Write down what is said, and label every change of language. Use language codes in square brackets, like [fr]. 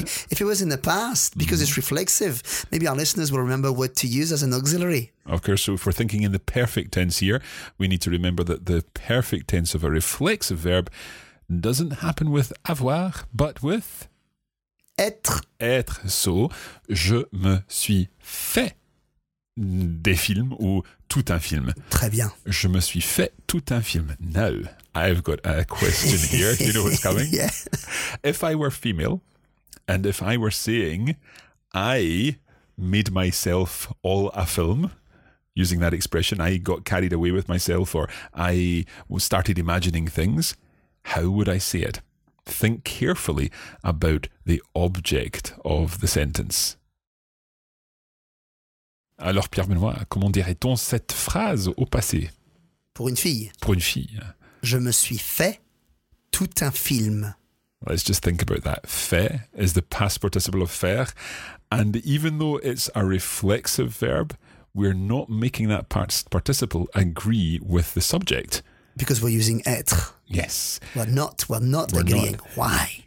[en] Ouais. If it was in the past, because mm-hmm. it's reflexive, maybe our listeners will remember what to use as an auxiliary. Of course. So if we're thinking in the perfect tense here, we need to remember that the perfect tense of a reflexive verb doesn't happen with avoir, but with [fr] être. Être. So, je me suis fait des films ou tout un film. Très bien. Je me suis fait tout un film. [en] Now, I've got a question here. You know what's coming? Yeah. If I were female, And if I were saying, I made myself all a film, using that expression, I got carried away with myself, or I started imagining things, how would I say it? Think carefully about the object of the sentence. [fr] Alors, Pierre Benoît, comment dirait-on cette phrase au passé? Pour une fille. Pour une fille. Je me suis fait tout un film. [en] Let's just think about that. Fait is the past participle of faire. And even though it's a reflexive verb, we're not making that past participle agree with the subject. Because we're using être. Yes. We're not agreeing. Not. Why?